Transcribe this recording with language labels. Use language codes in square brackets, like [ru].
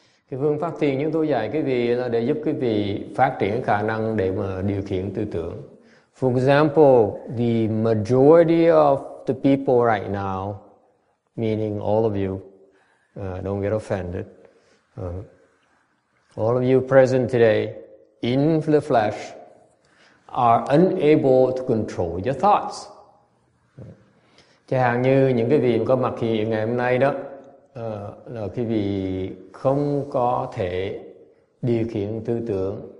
[vi] Cái phương pháp thiền chúng tôi dạy quý vị là để giúp quý vị phát triển khả năng để mà điều khiển tư tưởng. [en] For example, the majority of the people right now, meaning all of you, don't get offended. All of you present today, in the flesh, are unable to control your thoughts. [vi] Chẳng hạn như những cái vị có mặt hiện ngày hôm nay đó, là cái vị không có thể điều khiển tư tưởng.